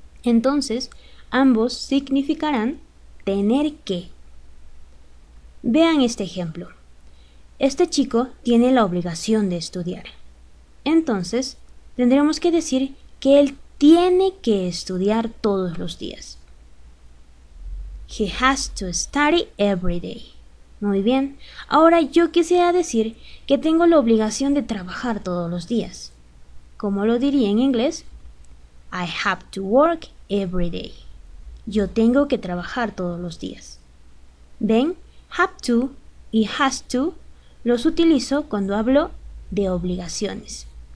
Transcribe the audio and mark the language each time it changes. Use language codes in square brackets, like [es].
[es] Entonces, ambos significarán tener que. Vean este ejemplo. Este chico tiene la obligación de estudiar. Entonces, tendremos que decir que él tiene que estudiar todos los días. [en] He has to study every day. [es] Muy bien. Ahora yo quisiera decir que tengo la obligación de trabajar todos los días. ¿Cómo lo diría en inglés? [en] I have to work every day. [es] Yo tengo que trabajar todos los días. ¿Ven? Have to y has to los utilizo cuando hablo de obligaciones.